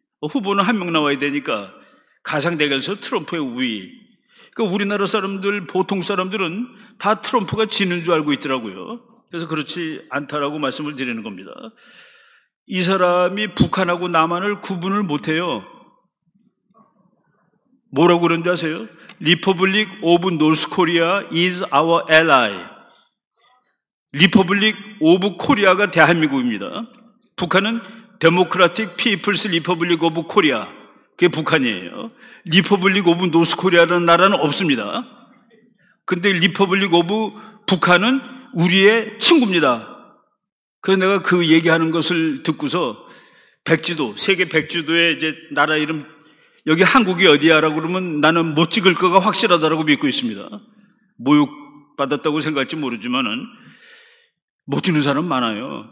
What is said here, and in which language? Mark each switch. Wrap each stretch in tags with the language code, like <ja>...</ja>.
<ko>후보는 한 명 나와야 되니까 가상대결에서 트럼프의 우위. 그러니까 우리나라 사람들, 보통 사람들은 다 트럼프가 지는 줄 알고 있더라고요. 그래서 그렇지 않다라고 말씀을 드리는 겁니다. 이 사람이 북한하고 남한을 구분을 못해요. 뭐라고 그런지 아세요?</ko> <en>Republic of North Korea is our ally.</en> <ko>Republic of Korea가 대한민국입니다. 북한은 Democratic People's Republic of Korea. 그게 북한이에요. Republic of North Korea라는 나라는 없습니다. 근데 Republic of 북한은 우리의 친구입니다. 그래서 내가 그 얘기하는 것을 듣고서 백지도, 세계 백지도에 이제 나라 이름, 여기 한국이 어디야? 라고 그러면 나는 못 찍을 거가 확실하다고 믿고 있습니다. 모욕받았다고 생각할지 모르지만은 못 찍는 사람 많아요.</ko>